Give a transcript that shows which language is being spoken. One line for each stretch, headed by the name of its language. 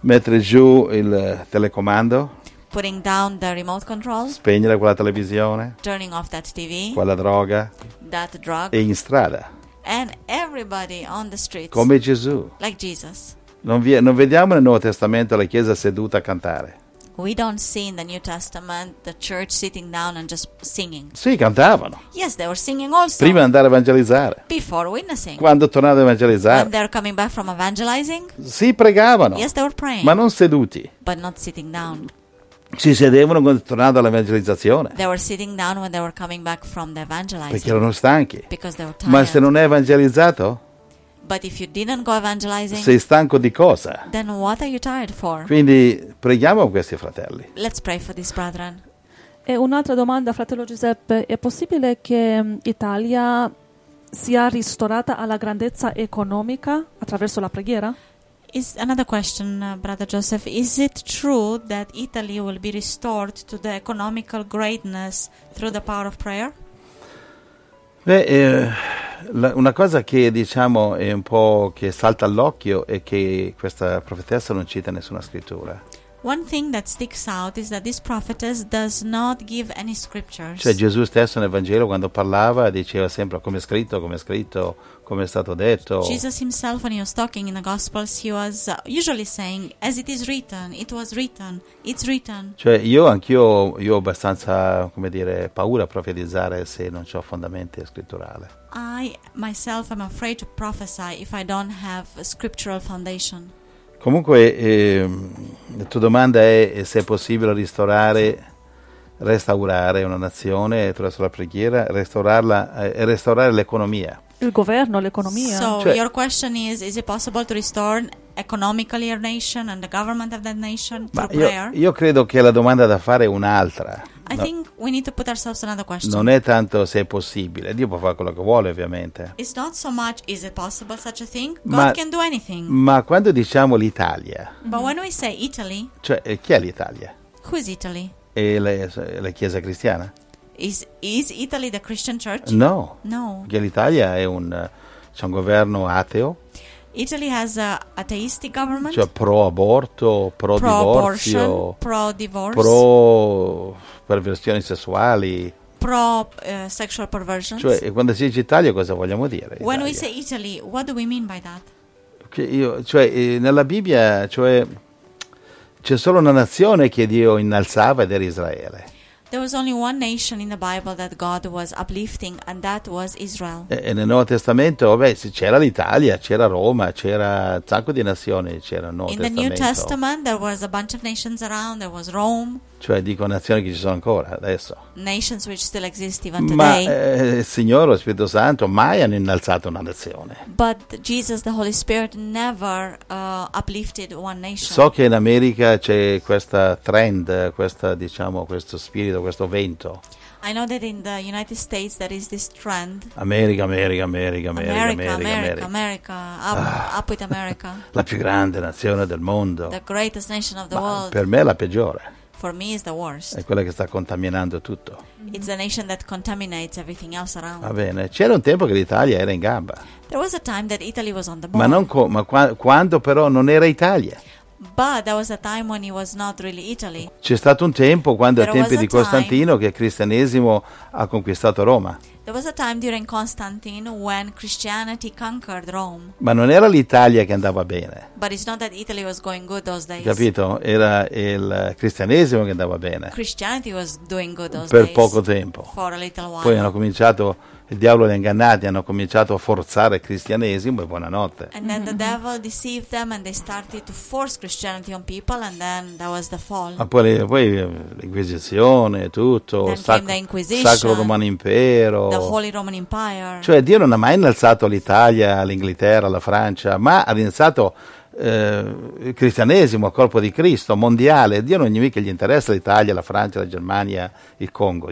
Italian: Mettere giù il telecomando.
English: Putting down the remote control.
Italian: Spegnere quella televisione.
English: Turning off that TV.
Italian: Quella droga.
English: That drug.
Italian: E in strada.
English: And everybody on the streets.
Italian: Come Gesù.
English: Like Jesus.
Italian: Non vediamo nel Nuovo Testamento la Chiesa seduta a cantare.
English: We don't see in the New Testament the church sitting down and just singing.
Italian: Sì, cantavano.
English: Yes, they were singing also.
Italian: Prima andare a evangelizzare.
English: Before witnessing.
Italian: Quando tornavano a evangelizzare.
English: When they're coming back from evangelizing.
Italian: Sì, pregavano.
English: Yes, they were praying.
Italian: Ma non seduti.
English: But not sitting down.
Italian: Si sedevano quando tornavano all'evangelizzazione.
English: They were sitting down when they were coming back from the evangelizing.
Italian: Perché erano stanchi.
English: Because they were tired.
Italian: Ma se non è evangelizzato.
English: But if you didn't go evangelizing,
Italian: sei stanco di cosa?
English: Then what are you tired for?
Italian: Quindi preghiamo questi fratelli.
English: Let's pray for these brethren.
Italian: E un'altra domanda, fratello Giuseppe, è possibile che Italia sia ristorata alla grandezza economica attraverso la preghiera?
English: Is another question, brother Joseph, is it true that Italy will be restored to the economical greatness through the power of prayer?
Italian: Beh, una cosa che diciamo è un po' che salta all'occhio è che questa profetessa non cita nessuna scrittura.
English: One thing that sticks out is that this prophetess does not give any scriptures.
Italian: Cioè Gesù stesso nel Vangelo quando parlava diceva sempre come è scritto, come è stato detto.
English: Jesus himself when he was talking in the Gospels he was usually saying as it is written, it was written, it's written.
Italian: Cioè io anch'io ho abbastanza, come dire, paura a profetizzare se non c'ho fondamenti scritturali.
English: I myself am afraid to prophesy if I don't have a scriptural foundation.
Italian: Comunque, la tua domanda è se è possibile restaurare una nazione attraverso la preghiera, restaurare l'economia. Il governo, l'economia.
English: So, cioè, your question is it possible to restore economically your nation and the government of that nation through prayer?
Italian: Io credo che la domanda da fare è un'altra.
English: I think we need to put ourselves another question.
Italian: Non è tanto se è possibile. Dio può fare quello che vuole, ovviamente.
English: It's not so much is it possible such a thing? God can do anything.
Italian: Ma quando diciamo l'Italia.
English: But when we say Italy.
Italian: Cioè, chi è l'Italia?
English: Who is Italy?
Italian: È la Chiesa cristiana?
English: Is Italy the Christian Church?
Italian: No.
English: No.
Italian: Perché l'Italia è un governo ateo.
English: Italy has a atheistic government.
Italian: Cioè pro aborto, pro divorzio,
English: pro divorce,
Italian: pro perversioni sessuali,
English: pro sexual perversions.
Italian: Cioè quando si dice Italia cosa vogliamo dire? Italia?
English: When we say Italy, what do we mean by that?
Italian: Che io, cioè nella Bibbia, cioè c'è solo una nazione che Dio innalzava ed era Israele.
English: There was only one nation in the Bible that God was uplifting, and that was Israel.
Italian: E nel Nuovo Testamento, beh, c'era l'Italia, c'era Roma, c'era un sacco di nazioni, c'era Nuovo Testamento.
English: New Testament, there was a bunch of nations around, there was Rome.
Italian: Cioè, dico nazioni che ci sono ancora adesso.
English: Nations which still exist even today.
Italian: Ma il Signore, lo Spirito Santo, mai hanno innalzato una nazione.
English: But Jesus, the Holy Spirit, never uplifted one nation.
Italian: So che in America c'è questa trend, questa, diciamo, questo spirito, questo vento.
English: I know that in the United States there is this trend. America, America, America, America, America, America, America, America. Up with America.
Italian: La più grande nazione del mondo.
English: The greatest nation of the world.
Italian: Per me è la peggiore.
English: For me is the worst.
Italian: È quella che sta contaminando tutto.
English: It's a nation that contaminates everything else around.
Italian: Va bene, c'era un tempo che l'Italia era in gamba.
English: There was a time that Italy was on the board.
Italian: Ma non quando però non era Italia.
English: But there was a time when it was not really Italy.
Italian: C'è stato un tempo quando ai tempi di Costantino che il cristianesimo ha conquistato Roma.
English: There was a time during Constantine when Christianity conquered Rome.
Italian: Ma non era l'Italia che andava bene.
English: But it's not that Italy was going good those days.
Italian: Capito? Era il cristianesimo che andava bene.
English: Christianity was doing good those days.
Italian: Per poco tempo.
English: For a little while.
Italian: Poi hanno cominciato, il diavolo li ha ingannati, hanno cominciato a forzare il cristianesimo e buonanotte.
English: And then the devil deceived them and they started to force Christianity on people and then that was the fall.
Italian: Ma poi l'inquisizione e tutto, sacro romano impero.
English: The Holy Roman Empire.
Italian: Cioè Dio non ha mai innalzato l'Italia, l'Inghilterra, la Francia, ma ha innalzato il cristianesimo a corpo di Cristo mondiale. Dio non è mica gli interessa l'Italia, la Francia, la Germania, il Congo.